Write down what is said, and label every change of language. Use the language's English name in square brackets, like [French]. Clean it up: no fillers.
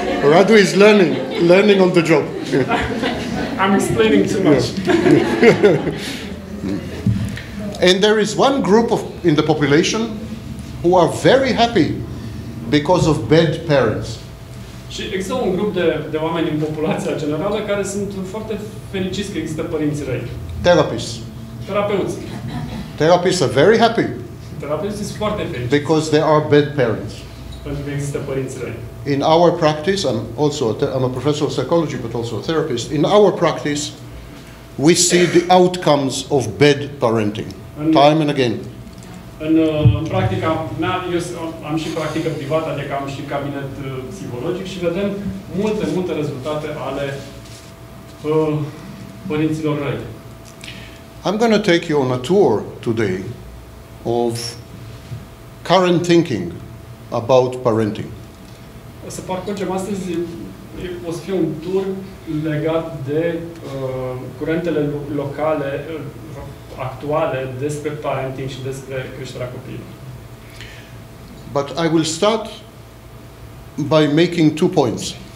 [English] Radu is learning on the job. I'm explaining too much. Yeah. And there is one group in the population who are very happy because of bad parents. [Romanian] Și există un grup de oameni în populația generală care sunt foarte fericiți că există părinți răi. [English] Therapists. [Romanian] Therapeuți. [English] Therapists are very happy. [Romanian] Therapeuți sunt foarte fericiți. [English] Because they are bad parents. [Romanian] Pentru că există părinți răi. [English] In our practice, I'm a professor of psychology, but also a therapist. In our practice, we see the outcomes of bad parenting, time and again. [Romanian] În practica mea, eu am și practică privată, adică am și cabinet psihologic și vedem multe rezultate ale părinților răi. [English] I'm going to take you on a tour today of current thinking about parenting? [Romanian] Să parcurgem astăzi o să fie un tur legat de curentele locale actuale despre parenting și despre creșterea copiilor. [English] But I will start by making two points.